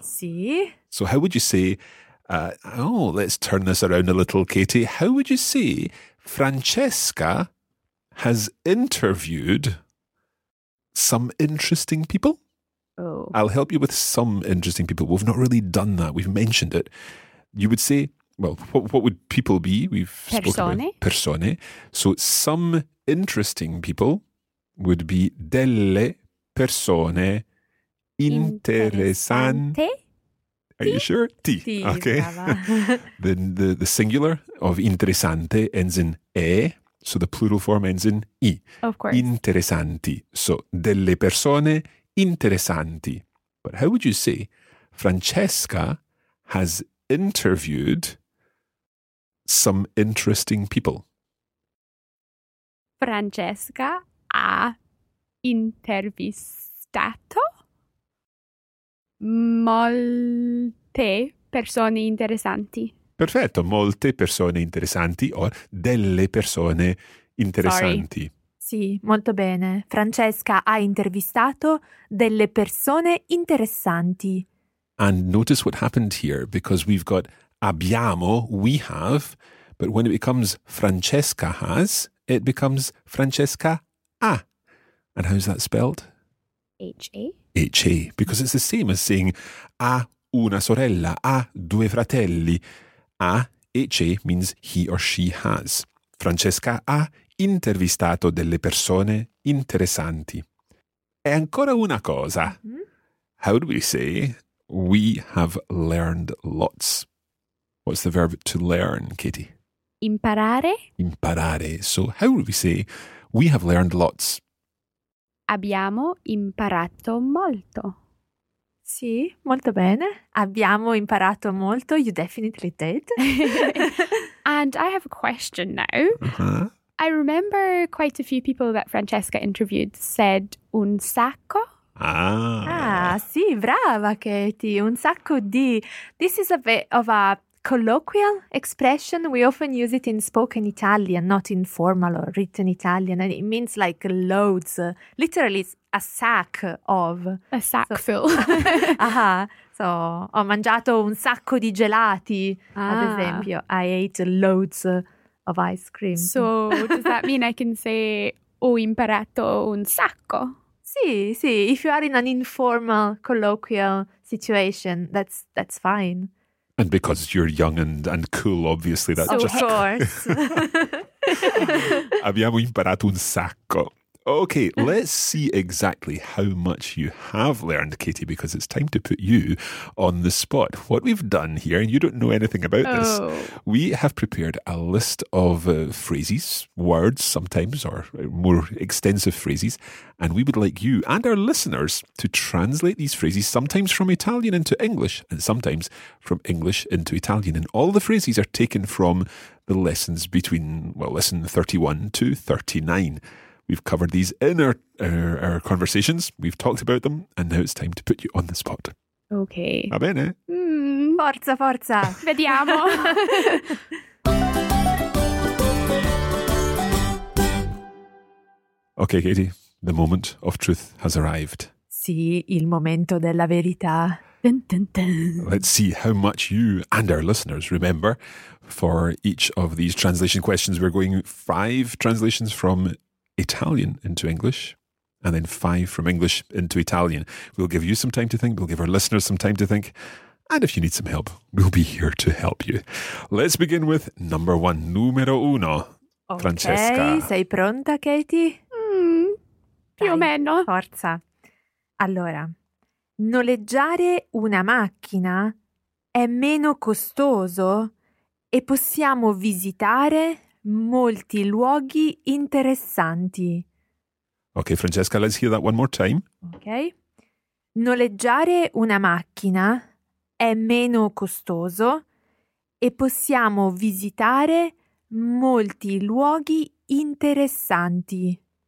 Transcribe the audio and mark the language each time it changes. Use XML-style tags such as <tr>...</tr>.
<it>Sì.</it> <en>So how would you say... let's turn this around a little, Katie. How would you say Francesca has interviewed some interesting people? Oh. I'll help you with some interesting people. We've not really done that. We've mentioned it. You would say... Well, what would people be? We've spoken about persone. So some interesting people would be</en> <it>delle persone interessanti.</it> <en>Are you sure? Ti. Okay. Then the singular of interessante ends in e, so the plural form ends in I. Of course.</en> <it>Interessanti. So delle persone interessanti.</it> <en>But how would you say Francesca has interviewed some interesting people?</en> <it>Francesca ha intervistato molte persone interessanti. Perfetto, molte persone interessanti o delle persone interessanti.</it> <en>Sorry.</en> <it>Sì, molto bene. Francesca ha intervistato delle persone interessanti.</it> <en>And notice what happened here, because we've got abbiamo, we have, but when it becomes Francesca has, it becomes Francesca ha. And how's that spelled? H-A. H-A, because it's the same as saying</en> <it>ha una sorella, ha due fratelli.</it> <en>H-A means he or she has.</en> <it>Francesca ha intervistato delle persone interessanti. E ancora una cosa. Mm-hmm.</it> <en>How do we say we have learned lots? What's the verb to learn, Katie?</en> <it>Imparare. Imparare.</it> <en>So how would we say we have learned lots?</en> <it>Abbiamo imparato molto. Sì, molto bene. Abbiamo imparato molto.</it> <en>You definitely did. And I have a question now. Uh-huh. I remember quite a few people that Francesca interviewed said</en> <it>un sacco. Ah.</it> <en>Ah,</en> <it>sì, brava,</it> <en>Katie.</en> <it>Un sacco di.</it> <en>This is a bit of a... colloquial expression. We often use it in spoken Italian, not in formal or written Italian, and it means like loads. Literally, it's a sack of. A sack so, full. Uh-huh.</en> <it>So, ho mangiato un sacco di gelati, ad esempio.</it> <en>I ate loads of ice cream. So, does that mean I can say</en> <it>ho imparato un sacco? Sì, sì.</it> <en>If you are in an informal, colloquial situation, that's fine. And because you're young and cool, obviously, that's so just... Of course. Abbiamo imparato un sacco. Okay, let's see exactly how much you have learned, Katie, because it's time to put you on the spot. What we've done here, and you don't know anything about this, we have prepared a list of phrases, words sometimes, or more extensive phrases, and we would like you and our listeners to translate these phrases, sometimes from Italian into English, and sometimes from English into Italian. And all the phrases are taken from the lessons between, well, lesson 31 to 39. We've covered these in our conversations. We've talked about them. And now it's time to put you on the spot. Okay.</en> <it>Va bene? Mm. Forza, forza. Vediamo.</it> <en>Okay, Katie. The moment of truth has arrived.</en> <it>Sì, il momento della verità. Dun, dun, dun.</it> <en>Let's see how much you and our listeners remember for each of these translation questions. We're going 5 translations from Italian into English, and then 5 from English into Italian. We'll give you some time to think, we'll give our listeners some time to think, and if you need some help, we'll be here to help you. Let's begin with number 1,</en> <it>numero uno,</it> <en>okay, Francesca.</en> <it>Sei pronta, Katie? Più o meno. Forza. Allora, noleggiare una macchina è meno costoso e possiamo visitare molti luoghi interessanti.</it> <en>Ok, Francesca, let's hear that one more time. Ok.</en> <it>Noleggiare una macchina è meno costoso e possiamo visitare molti luoghi interessanti.</it>